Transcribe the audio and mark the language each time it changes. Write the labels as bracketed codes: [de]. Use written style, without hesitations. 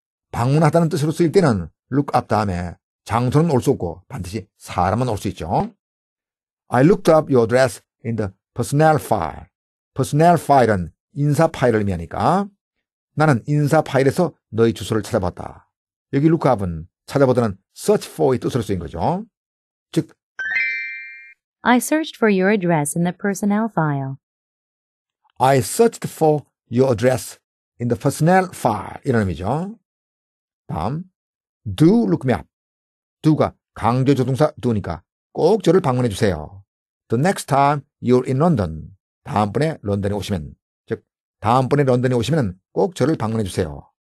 [ko] 방문하다는 뜻으로 쓰일 때는 look up 다음에 장소는 올 수 없고 반드시 사람은 올 수 있죠. [en] I looked up your address in the personnel file. [ko] Personnel file은 인사 파일을 의미하니까 나는 인사 파일에서 너의 주소를 찾아봤다. 여기 look up은 찾아보다는 search for의 뜻으로 쓰인 거죠. 즉, [en] I searched for your address in the personnel file. I searched for your address in the personnel file. [ko] 이런 의미죠. 다음, [en] do look me up. [ko] do가 강조조동사 do니까 꼭 저를 방문해 주세요. [en] The next time you're in London. [ko] 다음번에 런던에 오시면, 즉, 다음번에 런던에 오시면 꼭 저를 방문해 주세요.